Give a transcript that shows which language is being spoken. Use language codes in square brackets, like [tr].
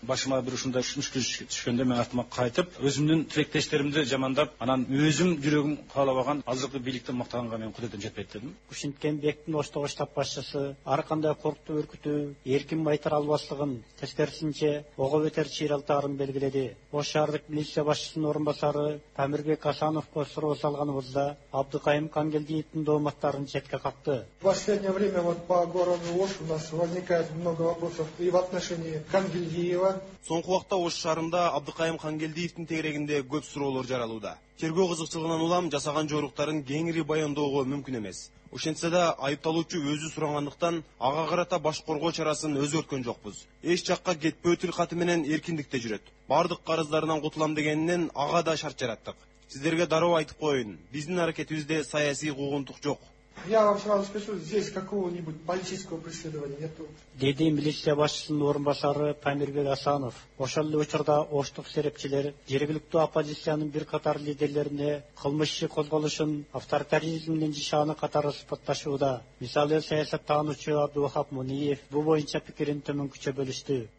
[ky] Башыма бир ушундай мүшкүлчүлүк түшкөндө мен артыма кайтып өзүмдүн тилектештеримди жамандап, анан өзүм жүрөгүм каалабаган азыркы бийликти мактаганга менин кудуретим жетпейт дедим. Ушинткен бектин Оштогу штаб башчысы ар кандай коркутуу өркүтүү эркин байтара албастыгын, тескерисинче ого бетер чыйралтаарын белгиледи. Ош шаардык милиция башчысынын орун басары Тамирбек Асановго суроо салган алганыбызда Абдыкайым Кангелдиевдин дооматтарын четке какты. [ru] В последнее время вот по городу Ош у нас возникает много вопросов и в отношении Кангелдиева. [ky] Соңку вакта Ош шаарында Абдыкайым Кангелдиевдин тегерегинде көп суроолор жаралууда. Тергөө кызыкчылыгынан улам жасаган жоруктарын кеңири баяндоого мүмкүн эмес. Ошентсе да айыпталуучу өзү сурагандыктан ага карата баш коргоо чарасын өзгөрткөн жокпуз. Эч жакка кетпөө тилкаты менен эркиндикте жүрөт. Бардык карыздарынан кутулам дегенинен ага да шарт жараттык. Сиздерге дароо айтып коеюн, биздин аракетибизде саясий куугунтук жок. [ru] Я вам сразу скажу, здесь какого-нибудь политического преследования нету. [ky] Деди милиция башчысынын орун басары Памирбек Асанов. Ошол эле учурда Оштук серепчилер жергиликтүү оппозициянын бир катар лидерлерине кылмыш иши козголушун авторитаризмдин жышааны катары сыпатташууда. Мисалы саясаттануучу Абдувахап Муниев бул боюнча пикирин төмөнкүчө бөлүштү.